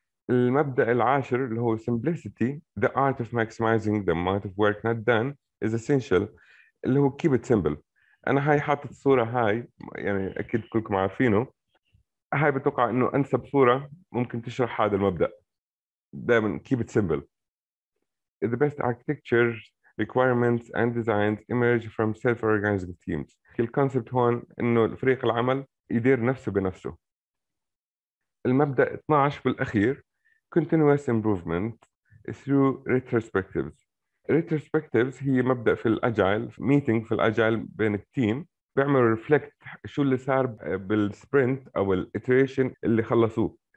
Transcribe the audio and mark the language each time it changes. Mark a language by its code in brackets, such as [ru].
[ar] المبدأ العاشر اللي هو [en] simplicity the art of maximizing the amount of work not done is essential [ar] اللي هو [en] keep it simple. [ar] أنا هاي حاطط صورة هاي يعني أكيد كلكم عارفينه، هاي بتوقع انه انسب صوره ممكن تشرح هذا المبدا دائما [en] keep it simple. The best architecture requirements and designs emerge from self-organizing teams. [ar] الكونسبت هون انه فريق العمل يدير نفسه بنفسه. المبدا 12 بالاخير [en] continuous improvement through retrospectives. [ar] Retrospectives هي مبدا في الاجايل، meeting في الاجايل بين التيم بيعملوا ريفلكت شو اللي صار بالسبرنت او الاتريشن اللي خلصوه.